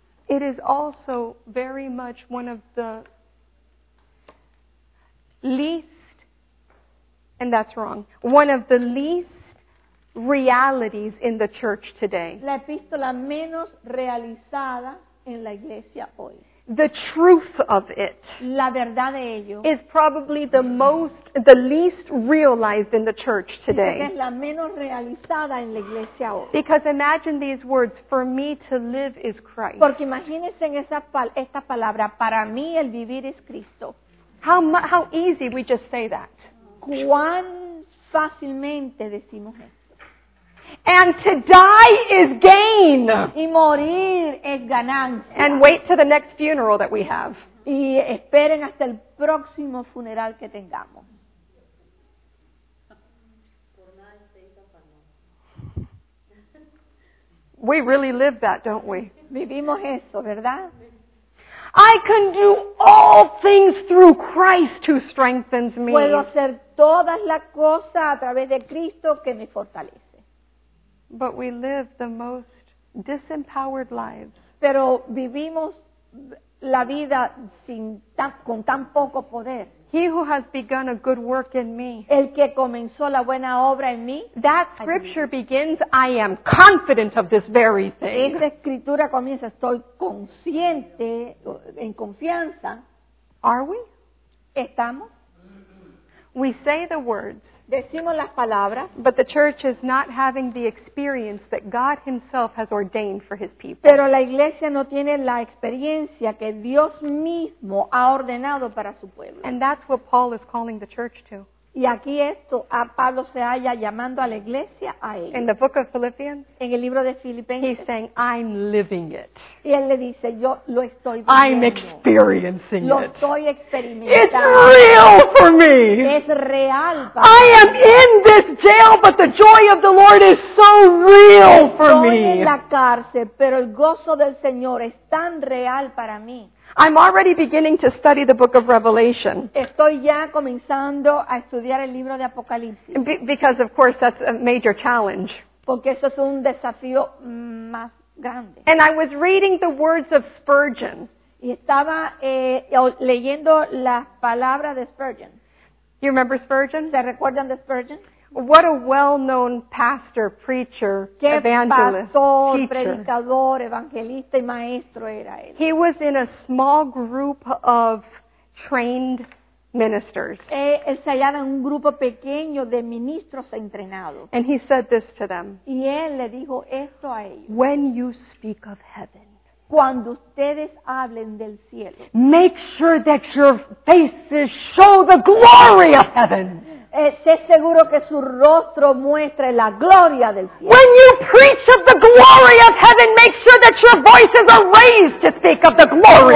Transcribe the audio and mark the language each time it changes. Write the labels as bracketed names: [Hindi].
[English] It is also very much one of the least, and that's wrong, one of the least realities in the church today. [Spanish] La epístola menos realizada en la iglesia hoy. [English] The truth of it, [Spanish] la verdad de ello, [English] is probably the most, the least realized in the church today. [Spanish] Es la menos realizada en la iglesia hoy. [English] Because imagine these words, for me to live is Christ. [Spanish] Porque imagínense en esta palabra, para mí el vivir es Cristo. [English] How easy we just say that. [Spanish] Cuán fácilmente decimos esto. [English] And to die is gain. [Spanish] Y morir es ganancia. [English] And wait to the next funeral that we have. [Spanish] Y esperen hasta el próximo funeral que tengamos. [English] We really live that, don't we? [Spanish] Vivimos eso, ¿verdad? [English] I can do all things through Christ who strengthens me. [Spanish] Puedo hacer todas las cosas a través de Cristo que me fortalece. [English] But we live the most disempowered lives. [Spanish] Pero vivimos la vida sin con tan poco poder. [English] He who has begun a good work in me. [Spanish] El que comenzó la buena obra en mí. [English] That scripture begins, I am confident of this very thing. [Spanish] Esta escritura comienza, estoy consciente, en confianza. [English] Are we? [Spanish] ¿Estamos? [English] We say the words. [Spanish] Decimos las palabras, [English] but the church is not having the experience that God himself has ordained for his people. [Spanish] Pero la iglesia no tiene la experiencia que Dios mismo ha ordenado para su pueblo. [English] And that's what Paul is calling the church to. [Spanish] Y aquí esto, a Pablo se halla llamando a la iglesia a él. [English] In the book of Philippians, [Spanish] en el libro de Filipenses, [English] he's saying, I'm living it. [Spanish] Y él le dice, yo lo estoy viviendo. [English] I'm experiencing [Spanish] lo estoy experimentando. [English] It's real for me. [Spanish] Es real para [English] I am [Spanish] mí. [English] In this jail, but the joy of the Lord is so real [Spanish] estoy [English] for me. [Spanish] Estoy en la cárcel, pero el gozo del Señor es tan real para mí. [English] I'm already beginning to study the book of Revelation. [Spanish] Estoy ya comenzando a estudiar el libro de Apocalipsis. [English] Because of course that's a major challenge. [Spanish] Porque eso es un desafío más grande. [English] And I was reading the words of Spurgeon. [Spanish] Y estaba leyendo las palabras de Spurgeon. [English] You remember Spurgeon? [Spanish] ¿Se recuerdan de Spurgeon? [English] What a well-known pastor, preacher, [Spanish] qué [English] evangelist, [Spanish] pastor, [English] teacher. [Spanish] Predicador, evangelista y maestro era él. [English] He was in a small group of trained ministers. [Spanish] Él se hallaba en un grupo pequeño de ministros entrenados. [English] And he said this to them. [Spanish] Y él le dijo esto a ellos. [English] When you speak of heaven. [Spanish] Cuando ustedes hablen del cielo. [English] Make sure that your faces show the glory of heaven. [Spanish] Sé seguro que su rostro muestre la gloria del cielo. [English] When you preach of the glory of heaven, make sure that your voices are raised to speak of the glory